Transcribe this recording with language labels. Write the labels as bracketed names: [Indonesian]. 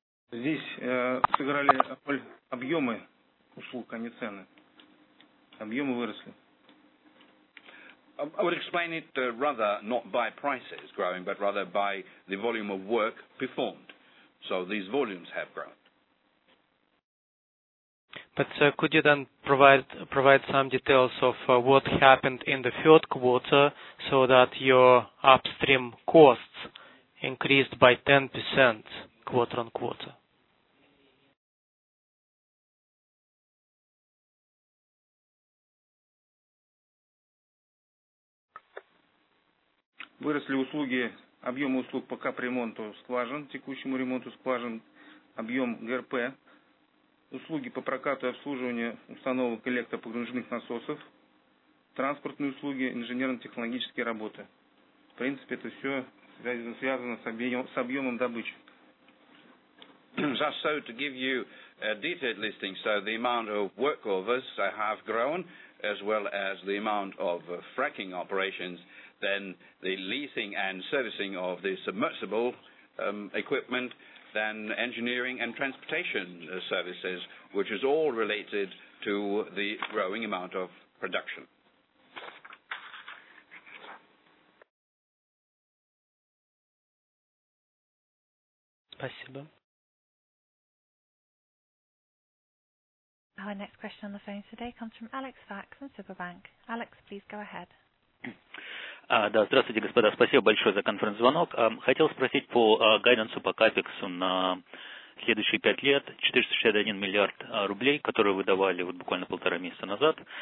[Russian] Здесь сыграли роль объемы услуг, а не цены. Объемы выросли. [English] I would explain it rather not by prices growing, but rather by the volume of work performed. So these volumes have grown. But could you then provide some details of what happened in the third quarter so that your upstream costs increased by 10% quarter on quarter? [Russian] Выросли услуги, объемы услуг по капремонту скважин, текущему ремонту скважин, объем ГРП, услуги по прокату и обслуживанию установок электропогружных насосов, транспортные услуги, инженерно-технологические работы. В принципе, это все связано с объемом добычи. [English] Just so to give you a detailed listing, so the amount of workovers have grown, as well as the amount of fracking operations, then the leasing and servicing of the submersible equipment, then engineering and transportation services, which is all related to the growing amount of production. [Russian] Спасибо. [English] Our next question on the phone today comes from Alex Fack from Superbank. Alex, please go ahead. [Russian] Да, здравствуйте, господа. Спасибо большое за конференц-звонок. Хотел спросить по гайденсу по капексу на следующие 5 лет. 461 миллиард рублей, которые вы давали вот буквально полтора месяца назад.